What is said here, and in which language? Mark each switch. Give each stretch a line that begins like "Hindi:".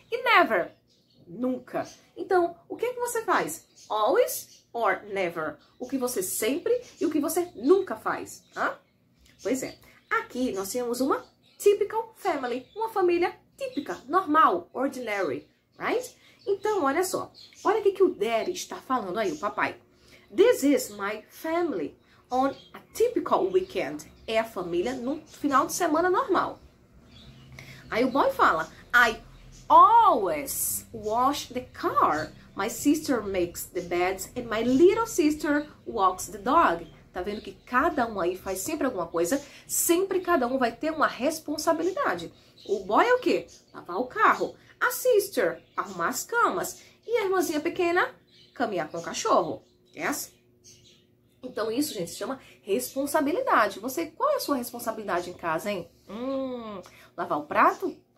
Portuguese: E never, nunca. Então, o que é que você faz?
English: Always or never.
Portuguese: O que você sempre e o que você nunca faz, tá? Pois é. Aqui nós temos uma
English: typical family,
Portuguese: uma família típica, normal, ordinary, right? Então, olha só. Olha o que o Daddy está falando aí, o papai.
English: This is my family on a typical weekend.
Portuguese: É a família no final de semana normal. Aí o boy fala:
English: I always wash the car. My sister makes the beds and my little sister walks the dog.
Portuguese: Tá vendo que cada um aí faz sempre alguma coisa, sempre cada um vai ter uma responsabilidade. O boy é o quê? Lavar o carro. A sister, arrumar as camas. E a irmãzinha pequena, caminhar com o cachorro. Yes? Então, isso, gente, se chama responsabilidade. Você, qual é a sua responsabilidade em casa, hein? Lavar o prato?